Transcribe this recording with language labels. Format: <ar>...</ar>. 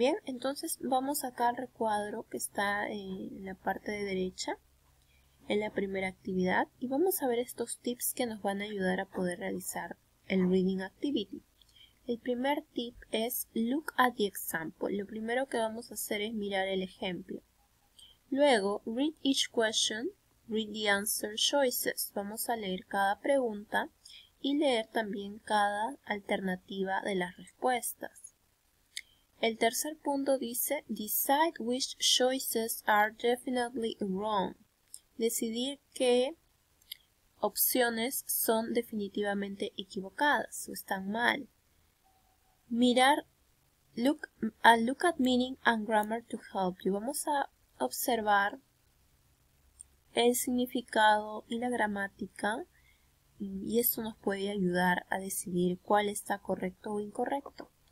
<es>Bien, entonces vamos acá al recuadro que está en la parte de derecha, en la primera actividad, y vamos a ver estos tips que nos van a ayudar a poder realizar el reading activity. El primer tip es</es> <en>look at the example.</en> <es>Lo primero que vamos a hacer es mirar el ejemplo.</es> <en>Luego, read each question, read the answer choices.</en> <es>Vamos a leer cada pregunta y leer también cada alternativa de las respuestas. El tercer punto dice,</es> <en>decide which choices are definitely wrong.</en> <es>Decidir qué opciones son definitivamente equivocadas o están mal.</es> <en>Mirar, look at meaning and grammar to help you.</en> <es>Vamos a observar el significado y la gramática y esto nos puede ayudar a decidir cuál está correcto o incorrecto.</es>